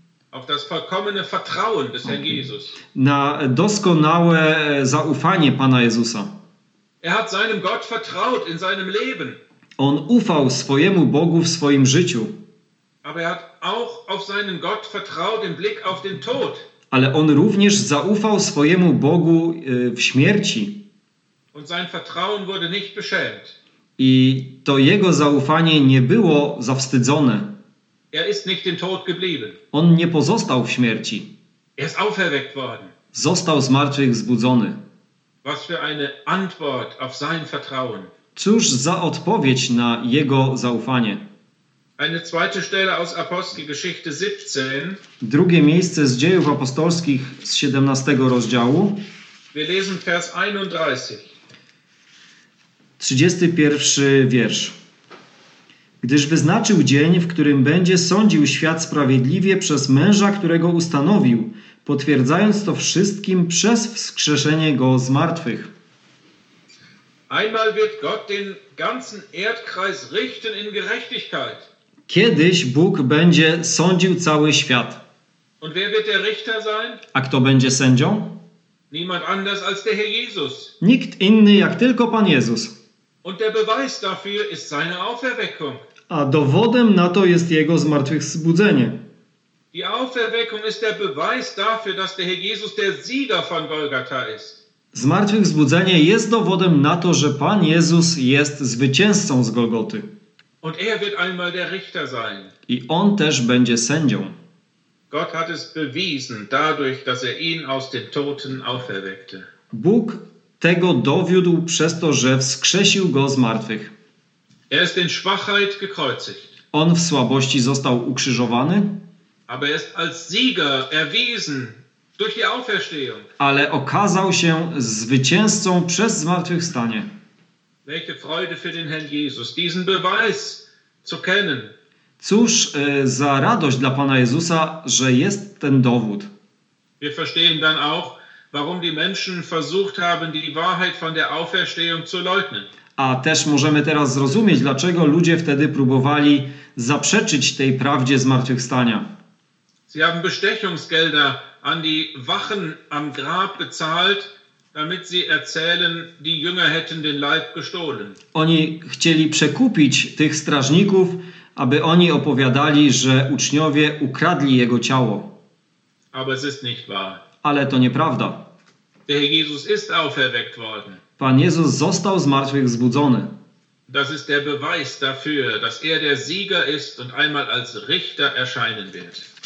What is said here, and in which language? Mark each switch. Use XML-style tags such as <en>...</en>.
<de>auf das vollkommene Vertrauen des Herrn Jesus.</de> <pl>Na doskonałe zaufanie Pana Jezusa.</pl> <de>Er hat seinem Gott vertraut in seinem Leben.</de> <pl>On ufał swojemu Bogu w swoim życiu.</pl> <de>Aber er hat auch auf seinen Gott vertraut im Blick auf den Tod.</de> <pl>Ale on również zaufał swojemu Bogu w śmierci.</pl> <de>Und sein Vertrauen wurde nicht beschämt.</de> <pl>I to jego zaufanie nie było zawstydzone.</pl> <de>Er ist nicht im Tod geblieben.</de> <pl>On nie pozostał w śmierci.</pl> <de>Er ist auferweckt worden.</de> <pl>Został zmartwychwzbudzony.</pl> <de>Was für eine Antwort auf sein Vertrauen.</de> <pl>Cóż za odpowiedź na jego zaufanie.</pl> <de>Eine zweite Stelle aus Apostelgeschichte 17.</de> <pl>Drugie miejsce z Dziejów Apostolskich z 17 rozdziału.</pl> <de>Wir lesen Vers 31.</de> <pl>31 wiersz. Gdyż wyznaczył dzień, w którym będzie sądził świat sprawiedliwie przez męża, którego ustanowił, potwierdzając to wszystkim przez wskrzeszenie go z martwych.</pl> <de>Einmal wird Gott den ganzen Erdkreis richten in Gerechtigkeit.</de> <pl>Kiedyś Bóg będzie sądził cały świat.</pl> <de>Und wer wird der Richter sein?</de> <pl>A kto będzie sędzią?</pl> <de>Niemand anders als der Herr Jesus.</de> <pl>Nikt inny jak tylko Pan Jezus.</pl> <de>Und der Beweis dafür ist seine Auferweckung.</de> <pl>A dowodem na to jest jego zmartwychwstanie.</pl> <de>Die Auferweckung ist der Beweis dafür, dass der Herr Jesus der Sieger von Golgatha ist.</de> <pl>Zmartwychwstanie jest dowodem na to, że Pan Jezus jest zwycięzcą z Golgoty.</pl> <de>Und er wird einmal der Richter sein.</de> <pl>I on też będzie sędzią.</pl> <de>Gott hat es bewiesen, dadurch, dass er ihn aus den Toten auferweckte.</de> <pl>Bóg tego dowiódł przez to, że wskrzesił go z martwych.</pl> <de>Er ist in Schwachheit gekreuzigt.</de> <pl>On w słabości został ukrzyżowany.</pl> <de>Aber er ist als Sieger erwiesen durch die Auferstehung.</de> <pl>Ale okazał się zwycięzcą przez zmartwychwstanie.</pl> <de>Welche Freude für den Herrn Jesus, diesen Beweis zu kennen.</de> <pl>Cóż za radość dla Pana Jezusa, że jest ten dowód.</pl> <de>Wir verstehen dann auch, warum die Menschen versucht haben, die Wahrheit von der Auferstehung zu leugnen.</de> <pl>A też możemy teraz zrozumieć, dlaczego ludzie wtedy próbowali zaprzeczyć tej prawdzie zmartwychwstania.</pl> <de>Sie haben Bestechungsgelder an die Wachen am Grab bezahlt, damit sie erzählen, die Jünger hätten den Leib gestohlen.</de> <pl>Oni chcieli przekupić tych strażników, aby oni opowiadali, że uczniowie ukradli jego ciało.</pl> <de>Aber es ist nicht wahr.</de> <pl>Ale to nieprawda.</pl> <de>Der Jesus ist auferweckt worden.</de> <pl>Pan Jezus został zmartwychwzbudzony.</pl> <de>Das ist der Beweis dafür, dass er der Sieger ist und einmal als Richter erscheinen wird.</de>